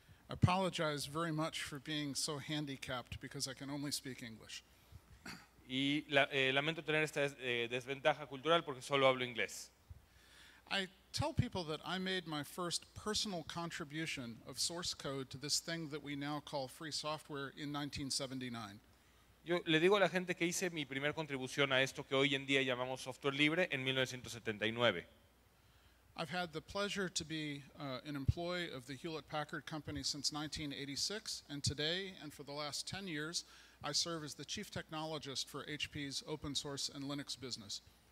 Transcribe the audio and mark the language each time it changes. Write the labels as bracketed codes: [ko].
[en] I apologize very much for being so handicapped because I can only speak English. [es] Y lamento tener esta desventaja cultural porque solo hablo inglés. [en] I tell people that I made my first personal contribution of source code to this thing that we now call free software in 1979. [es] Yo le digo a la gente que hice mi primera contribución a esto que hoy en día llamamos software libre en 1979. [en] I've had the pleasure to be an employee of the Hewlett-Packard Company since 1986, and today, and for the last 10 years, I serve as the chief technologist for HP's open source and Linux business.